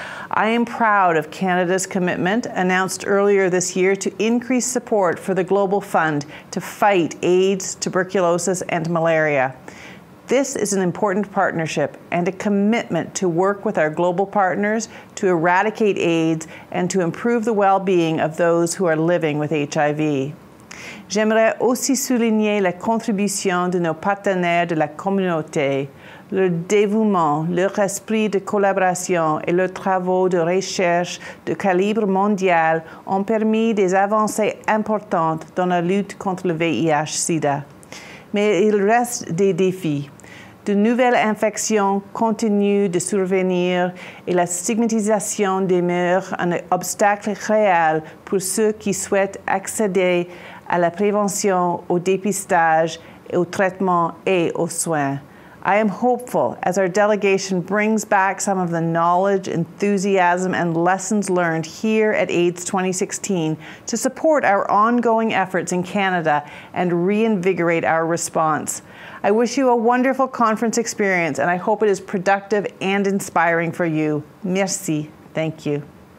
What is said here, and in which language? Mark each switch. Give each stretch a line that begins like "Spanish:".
English: I am proud of Canada's commitment, announced earlier this year, to increase support for the Global Fund to fight AIDS, tuberculosis, and malaria. This is an important partnership and a commitment to work with our global partners to eradicate AIDS and to improve the well-being of those who are living with HIV.
French: J'aimerais aussi souligner la contribution de nos partenaires de la communauté, leur dévouement, leur esprit de collaboration et leurs travaux de recherche de calibre mondial ont permis des avancées importantes dans la lutte contre le VIH-SIDA. Mais il reste des défis. De nouvelles infections continuent de survenir et la stigmatisation demeure un obstacle réel pour ceux qui souhaitent accéder à la prévention, au dépistage, au traitement et aux soins.
English: I am hopeful as our delegation brings back some of the knowledge, enthusiasm, and lessons learned here at AIDS 2016 to support our ongoing efforts in Canada and reinvigorate our response. I wish you a wonderful conference experience, and I hope it is productive and inspiring for you. Merci. Thank you.